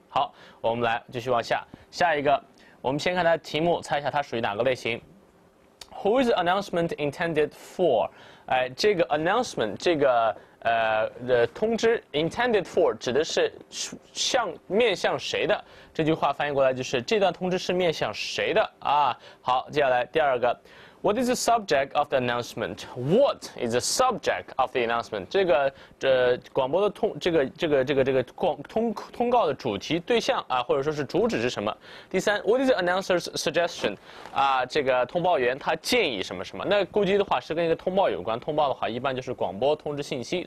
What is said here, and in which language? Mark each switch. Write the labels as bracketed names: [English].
[Chinese] 好，我们来继续往下，下一个，我们先看它题目，猜一下它属于哪个类型。 [English] Who is the announcement intended for? [Chinese] 这个 announcement 这个的通知 intended for 指的是面向谁的？这句话翻译过来就是这段通知是面向谁的啊？好，接下来第二个 [English] ，What is the subject of the announcement? What is the subject of the announcement? [Chinese] 这个广播的通告的主题对象啊，或者说是主旨是什么？第三 [English] ，What is the announcer's suggestion? [Chinese] 啊，这个通报员他建议什么什么？那估计的话是跟一个通报有关，通报的话一般就是广播通知信息。